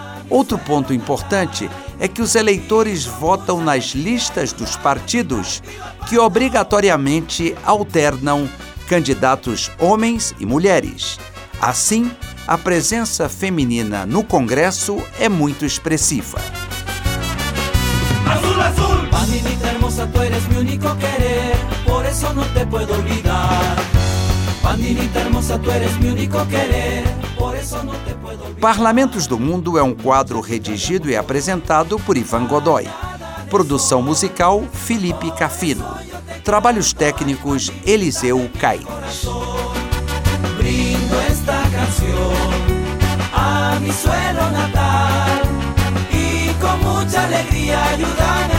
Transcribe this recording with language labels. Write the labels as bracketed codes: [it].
[pt] Outro ponto importante é que os eleitores votam nas listas dos partidos, que obrigatoriamente alternam candidatos homens e mulheres. Assim, a presença feminina no Congresso é muito expressiva. [es] Azul, azul, panilita hermosa, tu eres mi único querer, por eso no te puedo olvidar. Panilita hermosa, tu eres mi único querer, por eso no te puedo olvidar. [pt] Parlamentos do Mundo é um quadro redigido e apresentado por Ivan Godoy. Produção musical, Felipe Cafino. Trabalhos técnicos, Eliseu Caires. [es] Esta canción a mi suelo natal y con mucha alegría ayudar.